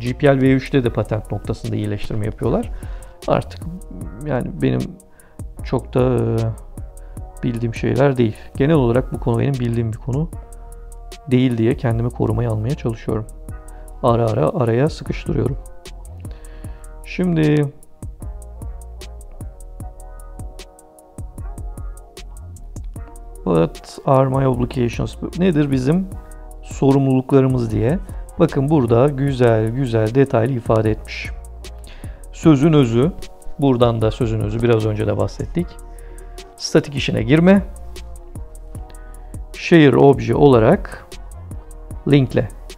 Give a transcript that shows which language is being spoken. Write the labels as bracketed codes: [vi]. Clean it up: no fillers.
[tr] GPL V3'te de patent noktasında iyileştirme yapıyorlar. Artık yani benim çok da bildiğim şeyler değil. Genel olarak bu konu benim bildiğim bir konu değil diye kendimi korumaya almaya çalışıyorum. Ara ara araya sıkıştırıyorum. Şimdi [en] What are my obligations? [tr] Nedir bizim sorumluluklarımız diye. Bakın burada güzel güzel detaylı ifade etmiş. Sözün özü. Buradan da sözün özü biraz önce de bahsettik. Statik işine girme. Share obje olarak linkle.